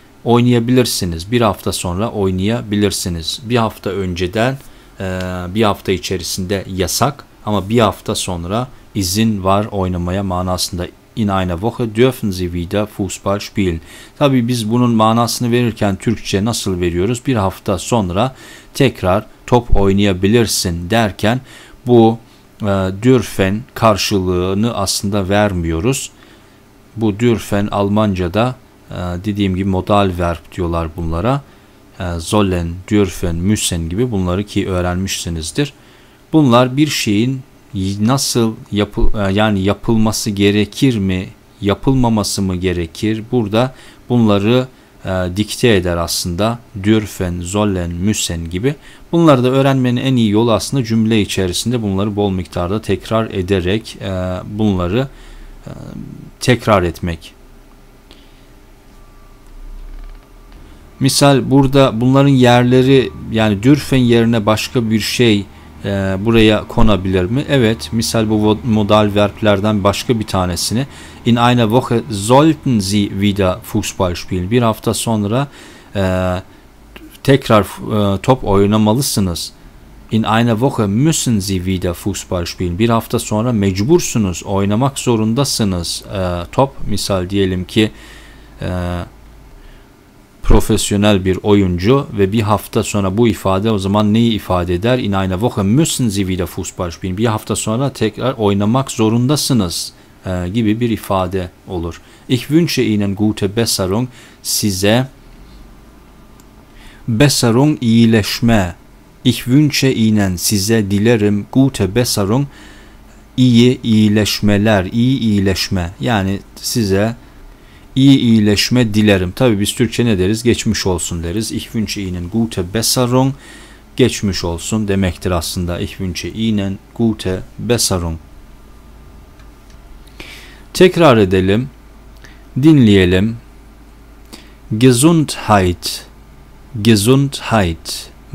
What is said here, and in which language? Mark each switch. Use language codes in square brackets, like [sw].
[tr] Oynayabilirsiniz. Bir hafta sonra oynayabilirsiniz. Bir hafta önceden, bir hafta içerisinde yasak ama bir hafta sonra izin var oynamaya manasında. [de] In einer Woche dürfen Sie wieder Fußball spielen. [tr] Tabii biz bunun manasını verirken Türkçe nasıl veriyoruz? Bir hafta sonra tekrar top oynayabilirsin derken bu dürfen karşılığını aslında vermiyoruz. Bu dürfen Almanca'da dediğim gibi modal verb diyorlar bunlara. Sollen, dürfen, müssen gibi bunları ki öğrenmişsinizdir. Bunlar bir şeyin nasıl yani yapılması gerekir mi, yapılmaması mı gerekir? Burada bunları dikte eder aslında. [de] Dürfen, sollen, müssen gibi. [tr] Bunları da öğrenmenin en iyi yolu aslında cümle içerisinde bunları bol miktarda tekrar ederek bunları tekrar etmek. Misal burada bunların yerleri, yani dürfen yerine başka bir şey buraya konabilir mi? Evet. Misal bu modal verblerden başka bir tanesini. [de] In einer Woche sollten Sie wieder Fußball spielen. [tr] Bir hafta sonra tekrar top oynamalısınız. [de] In einer Woche müssen Sie wieder Fußball spielen. [tr] Bir hafta sonra mecbursunuz, oynamak zorundasınız. Top, misal diyelim ki profesyonel bir oyuncu ve bir hafta sonra bu ifade o zaman neyi ifade eder? [de] In einer Woche müssen Sie wieder Fußball spielen. [tr] Bir hafta sonra tekrar oynamak zorundasınız gibi bir ifade olur. [de] Ich wünsche Ihnen gute Besserung. [tr] Size Besserung, iyileşme. [de] Ich wünsche Ihnen, [tr] size dilerim, [de] gute Besserung, [tr] iyi iyileşmeler, iyi iyileşme. Yani size iyi iyileşme dilerim. Tabii biz Türkçe ne deriz? Geçmiş olsun deriz. [de] Ich wünsche Ihnen gute Besserung, [tr] geçmiş olsun demektir aslında. [de] Ich wünsche Ihnen gute Besserung. [tr] Tekrar edelim, dinleyelim. [de] Gesundheit, Gesundheit.